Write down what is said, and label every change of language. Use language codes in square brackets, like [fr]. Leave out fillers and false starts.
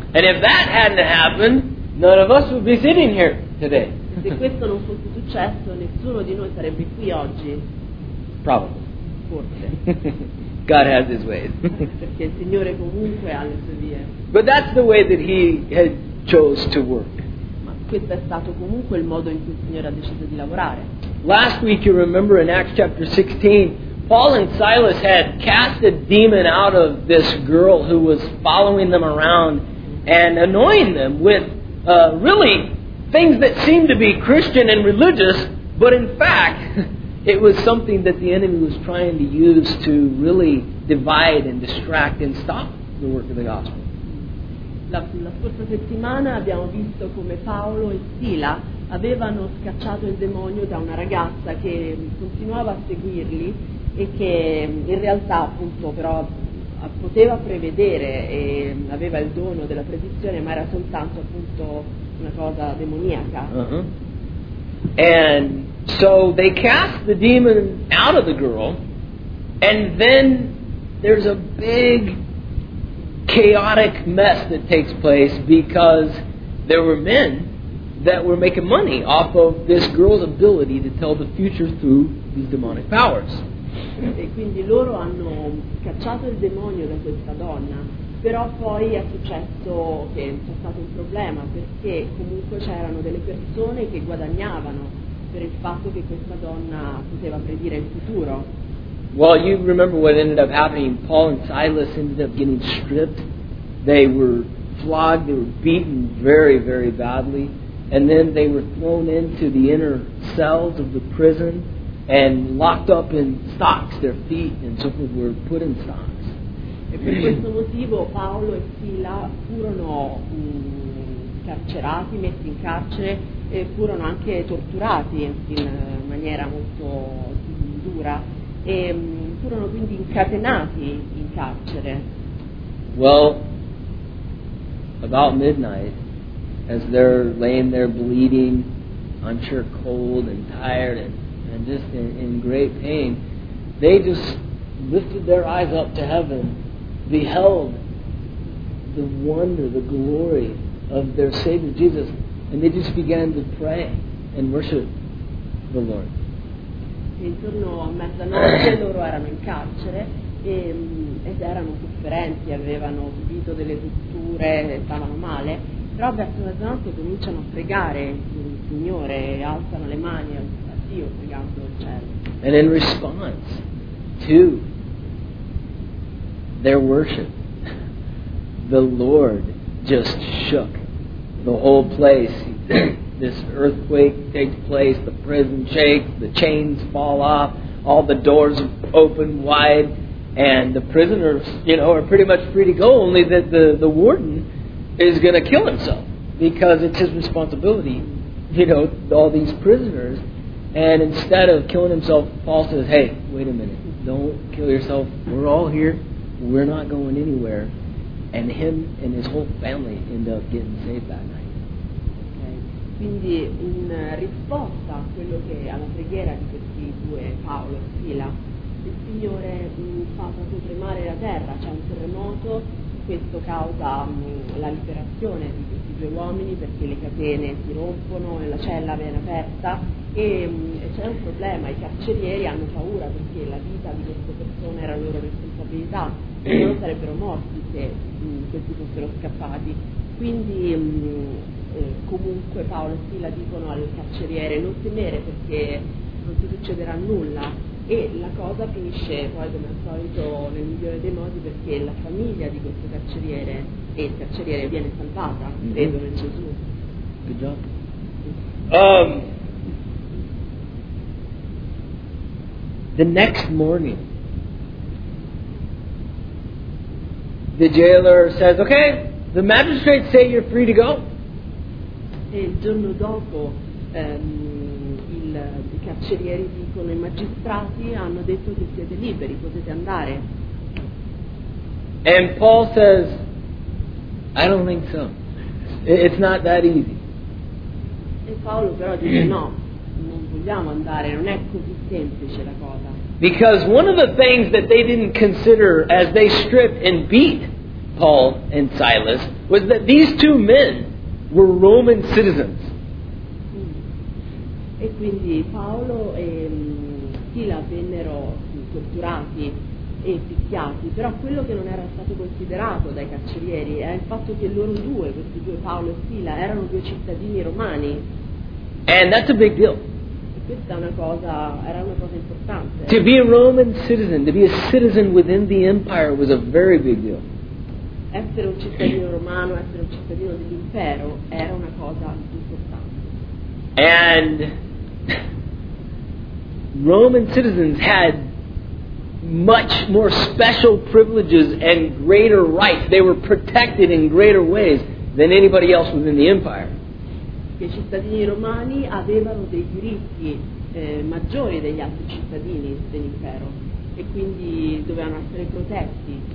[en] And if that hadn't happened, none of us would be sitting here today. [it] Se questo non fosse successo, nessuno di noi sarebbe qui oggi. [en] Probably. [it] Forse. [en] God has his ways. [it] Perché il Signore comunque ha le sue vie. [en] But that's the way that he had chose to work. [it] Questo è stato comunque il modo in cui il Signore ha deciso di lavorare. [en] Last week, you remember in Acts chapter 16, Paul and Silas had cast a demon out of this girl who was following them around and annoying them with really things that seemed to be Christian and religious, but in fact, it was something that the enemy was trying to use to really divide and distract and stop the work of the gospel. [it] La scorsa settimana abbiamo visto come Paolo e Sila avevano scacciato il demonio da una ragazza che continuava a seguirli e che in realtà appunto però poteva prevedere e aveva il dono della predizione, ma era soltanto appunto una cosa demoniaca. Uh-huh. [en] And so they cast the demon out of the girl, and then there's a big chaotic mess that takes place because there were men that were making money off of this girl's ability to tell the future through these demonic powers. [it] E quindi loro hanno cacciato il demonio da questa donna, però poi è successo che c'è stato un problema perché comunque c'erano delle persone che guadagnavano per il fatto che questa donna poteva predire il futuro. [en] Well, you remember what ended up happening. Paul and Silas ended up getting stripped. They were flogged, they were beaten very, very badly. And then they were thrown into the inner cells of the prison and locked up in stocks. Their feet and so forth were put in stocks. [it] E per questo motivo Paolo e Sila furono incarcerati, messi in carcere e furono anche torturati in maniera molto dura. E furono quindi incatenati in carcere. [en] Well, about midnight, as they're laying there bleeding, I'm sure cold and tired and just in great pain, they just lifted their eyes up to heaven, beheld the wonder, the glory of their Savior Jesus, and they just began to pray and worship the Lord. [it] Intorno a mezzanotte loro erano in carcere ed erano sofferenti, avevano subito delle torture, stavano male, però verso mezzanotte cominciano a pregare il Signore e alzano le mani a Dio pregando il cielo. [en] And in response to their worship, the Lord just shook the whole place. This earthquake takes place, the prison shakes, the chains fall off, all the doors open wide, and the prisoners, you know, are pretty much free to go, only that the warden is going to kill himself because it's his responsibility, you know, all these prisoners. And instead of killing himself, Paul says, hey, wait a minute, don't kill yourself. We're all here. We're not going anywhere. And him and his whole family end up getting saved that night. [it] Quindi in risposta a quello che alla preghiera di questi due, Paolo e Sila, il Signore fa proprio tremare la terra, c'è un terremoto, questo causa la liberazione di questi due uomini perché le catene si rompono e la cella viene aperta e c'è un problema, i carcerieri hanno paura perché la vita di queste persone era loro responsabilità, non sarebbero morti se questi fossero scappati. Quindi comunque Paolo e Sila dicono al carceriere non temere perché non ti succederà nulla e la cosa finisce poi come al solito nel migliore dei modi perché la famiglia di questo carceriere e il carceriere viene salvata, credo in Gesù. [en] Good job. The next morning the jailer says, okay, the magistrates say you're free to go. [it] E il giorno dopo i carcerieri dicono i magistrati hanno detto che siete liberi, potete andare. [en] And Paul says, I don't think so. It's not that easy. [it] E Paolo però dice no, non vogliamo andare, non è così semplice la cosa. [en] Because one of the things that they didn't consider as they stripped and beat Paul and Silas was that these two men were Roman citizens. [it] E quindi Paolo e Sila vennero torturati e picchiati, però quello che non era stato considerato dai carcerieri è il fatto che loro due, questi due Paolo e Sila, erano due cittadini romani. [en] And that's a big deal. [it] Questa era una cosa importante. [en] To be a Roman citizen, to be a citizen within the empire was a very big deal. [it] Essere un cittadino romano, essere un cittadino dell'impero, era una cosa importante. [en] And Roman citizens had much more special privileges and greater rights. They were protected in greater ways than anybody else within the empire. [it] I cittadini romani avevano dei diritti maggiori degli altri cittadini dell'impero e quindi dovevano essere protetti.